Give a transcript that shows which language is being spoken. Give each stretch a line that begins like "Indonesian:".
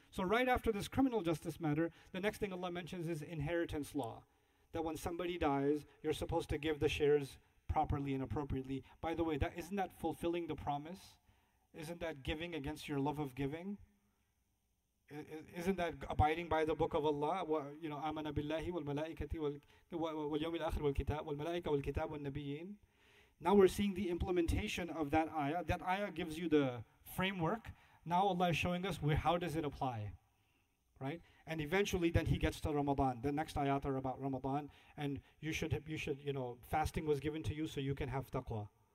English: So right after this criminal justice matter, the next thing Allah mentions is inheritance law. That when somebody dies, you're supposed to give the shares properly and appropriately. By the way, isn't that fulfilling the promise? Isn't that giving against your love of giving? Isn't that abiding by the book of Allah? You know,
Arabic: آمَنَ بِاللَّهِ وَالْمَلَائِكَةِ وَالْيَوْمِ الْآخِرِ وَالْكِتَابِ وَالْمَلَائِكَ وَالْكِتَابِ وَالنَّبِيِّينَ.
English: Now we're seeing the implementation of that ayah. That ayah gives you the framework. Now Allah is showing us how does it apply, right? And eventually then he gets to Ramadan. The next ayat are about Ramadan. And you should, you know, fasting was given to you so you can have taqwa.